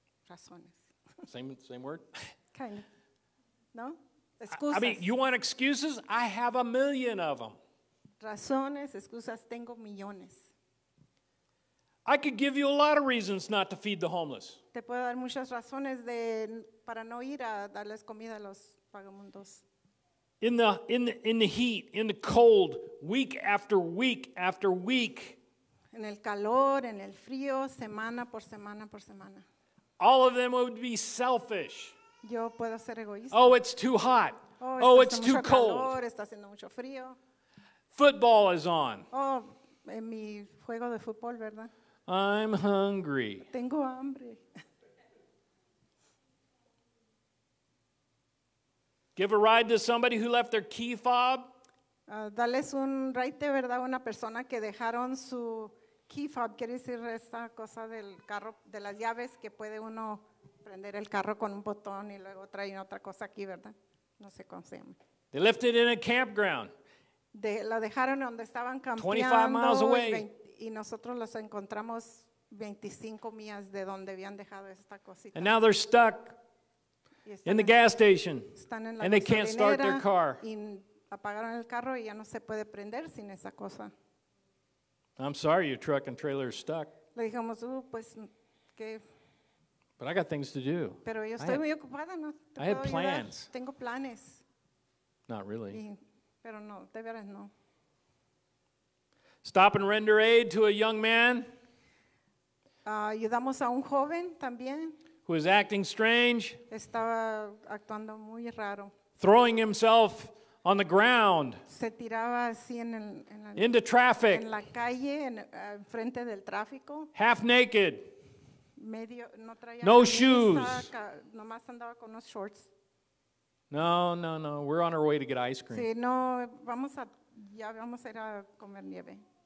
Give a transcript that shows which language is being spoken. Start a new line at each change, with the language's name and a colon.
Spanish: Razones.
English: Same word? Kind of. No? Excuses. I mean, you want excuses? I have a million of them.
Spanish: Razones, excusas, tengo millones.
English: I could give you a lot of reasons not to feed the homeless.
Spanish: Te puedo dar muchas razones de para no ir a darles comida a los vagabundos.
English: In the heat, in the cold, week after week after week.
Spanish: En el calor, en el frío, semana por semana por semana.
English: All of them would be selfish.
Spanish: Yo puedo ser egoísta.
English: Oh, it's too hot. Oh it's too cold.
Spanish: Calor, está haciendo mucho frío.
English: Football is on.
Spanish: Oh, en mi juego de fútbol, ¿verdad?
English: I'm hungry.
Spanish: Tengo hambre.
English: Give a ride to somebody who left their key fob.
Spanish: Dales un ride, ¿verdad? Una persona que dejaron su key fob. Quiere decir esta cosa del carro, de las llaves que puede uno prender el carro con un botón y luego traen otra cosa aquí, ¿verdad? No sé cómo se llama.
English: They left it in a campground.
Spanish: La dejaron donde estaban campeando.
English: 25 miles away.
Spanish: Y nosotros los encontramos 25 millas de donde habían dejado esta cosita.
English: And now they're stuck. In the gas station.
Spanish: Están en la
English: and they can't start their car.
Spanish: Y apagaron el carro y ya no se puede prender sin esa cosa.
English: I'm sorry your truck and trailer is stuck.
Spanish: Le dijimos, pues, ¿qué?
English: But I got things to do.
Spanish: Pero yo estoy muy ocupada, ¿no?
English: I had plans.
Spanish: Tengo planes.
English: Not really.
Spanish: Pero no, de veras no.
English: Stop and render aid to a young man.
Spanish: Ayudamos a un joven también.
English: Who is acting strange.
Spanish: Estaba actuando muy raro.
English: Throwing himself on the ground.
Spanish: Se tiraba así en el, en la,
English: into traffic.
Spanish: En la calle, en frente del tráfico.
English: Half naked.
Spanish: Medio, no traía
English: no shoes.
Spanish: Nomás andaba con unos shorts. No, no, no.
English: We're on our way to get ice cream.
Spanish: Sí, no, vamos a, ya vamos a ir a comer nieve.